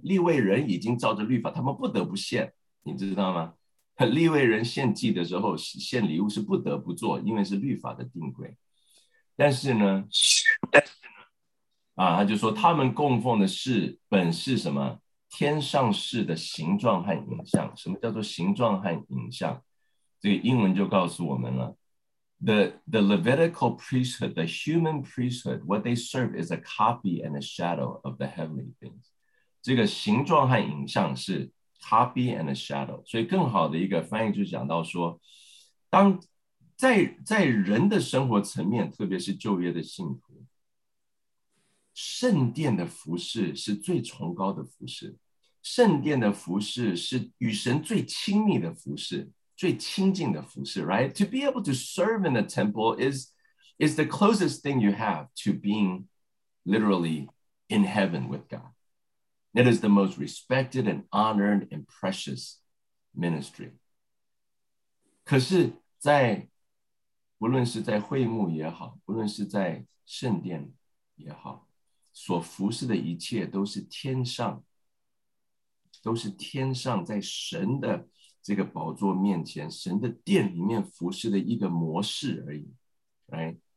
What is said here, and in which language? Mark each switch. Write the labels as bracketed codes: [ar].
[zh] 利未人已经照着律法，他们不得不献，你知道吗？利未人献祭的时候，献礼物是不得不做，因为是律法的定规。但是呢，他就说他们供奉的是本是什么？天上事的形状和影像。什么叫做形状和影像？这个英文就告诉我们了， [en] the Levitical priesthood, the human priesthood, what they serve is a copy and a shadow of the heavenly things. [zh] 这个形状和影像是 [en] copy and a shadow. [zh] 所以更好的一个翻译就讲到说，当 在人的生活层面，特别是旧约的信徒，圣殿的服事是最崇高的服事，圣殿的服事是与神最亲密的服事，最亲近的服事， right? [en] To be able to serve in the temple is the closest thing you have to being literally in heaven with God. It is the most respected and honored and precious ministry. [zh] 可是在无论是在会幕也好，无论是在圣殿也好，所服侍的一切都是天上，都是天上在神的这个宝座面前，神的殿里面服侍的一个模式而已， right?